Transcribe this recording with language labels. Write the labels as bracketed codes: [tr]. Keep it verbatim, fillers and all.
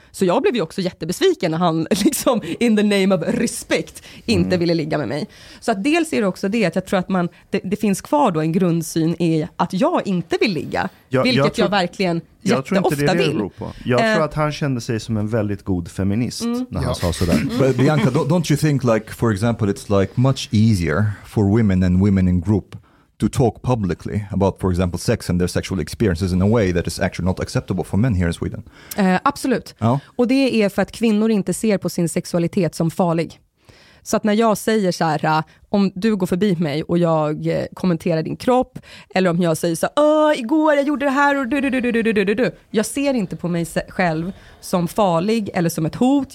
[sv] Så jag blev ju också jättebesviken när han liksom, [en] in the name of respect, [sv] inte mm. ville ligga med mig. Så att dels är det också det att jag tror att man, det, det finns kvar då en grundsyn i att jag inte vill ligga. Jag, vilket jag, tror, jag verkligen jag tror inte det vill. Beror på. Jag uh, tror att han kände sig som en väldigt god feminist mm. när han ja. sa sådär. [en] But Bianca, don't, don't you think like, for example, it's like much easier for women and women in group to talk publicly about, for example, sex and their sexual experiences in a way that is actually not acceptable for men here in Sweden. [sv] Uh, absolut. Ja. Och det är för att kvinnor inte ser på sin sexualitet som farlig. Så att när jag säger så här, om du går förbi mig och jag kommenterar din kropp, eller om jag säger så här, åh, igår jag gjorde det här och du, du, du, du, du, du. Jag ser inte på mig själv som farlig eller som ett hot.